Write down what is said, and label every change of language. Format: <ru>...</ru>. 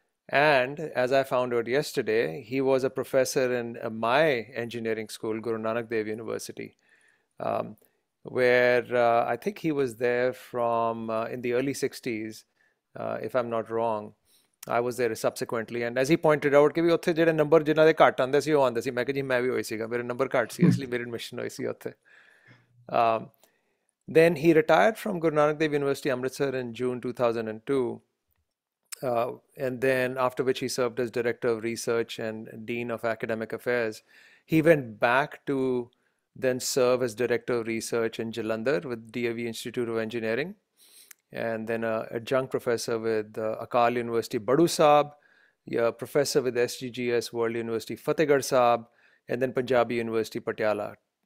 <en>And as I found out yesterday, he was a professor in my engineering school, Guru Nanak Dev University, where I think he was there from in the early 60s, if I'm not wrong. I was there subsequently. And as he pointed out,</en> <pa>ਕਿ ਉੱਥੇ ਜਿਹੜੇ number ਜਿਨ੍ਹਾਂ ਦੇ ਘੱਟ ਆਉਂਦੇ ਸੀ ਉਹ ਆਉਂਦੇ ਸੀ। ਮੈਂ ਕਿਹਾ ਜੀ ਮੈਂ ਵੀ ਹੋਈ ਸੀਗਾ, ਮੇਰੇ ਨੰਬਰ ਘੱਟ ਸੀ, ਇਸ ਲਈ ਮੇਰੀ ਐਡਮਿਸ਼ਨ ਹੋਈ ਸੀ ਉੱਥੇ।</pa> <en>Then he retired from Guru Nanak Dev University, Amritsar in June 2002. And then after which he served as director of research and dean of academic affairs. He went back to then serve as director of research in Jalandhar with DAV Institute of Engineering, and then a adjunct professor with Akal University Badu Sahib, yeah, professor with SGGS World University Fatehgarh Sahib, and then Punjabi University Patiala.</en>